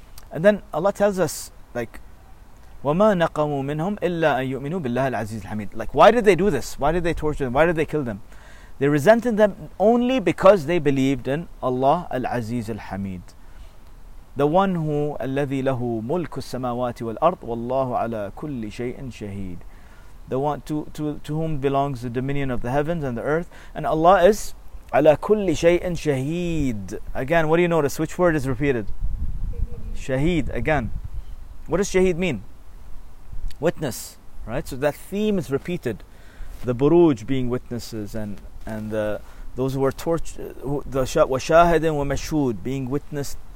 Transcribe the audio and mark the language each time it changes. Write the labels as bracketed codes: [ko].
[en] And then Allah tells us, like, [ar] وَمَا نَقَمُوا مِنْهُمْ إِلَّا أَن يُؤْمِنُوا بِاللَّهِ الْعَزِيزِ الْحَمِيدِ. [en] Like, why did they do this? Why did they torture them? Why did they kill them? They resented them only because they believed in Allah al-Aziz al-Hamid, the one who, [ar] الَّذِي لَهُ مُلْكُ السَّمَاوَاتِ وَالْأَرْضِ وَاللَّهُ عَلَى كُلِّ شَيْءٍ شَهِيدٍ. [en] The one to whom belongs the dominion of the heavens and the earth. And Allah is [ar] عَلَى كُلِّ شَيْءٍ شَهِيدٍ. [en] Again, what do you notice? Which word is repeated? Shaheed. Again. What does shaheed mean? Witness. Right? So that theme is repeated. The buruj being witnesses and those who were tortured. [ar] وَشَاهِدٍ وَمَشْهُودٍ. [en] Being witnessed.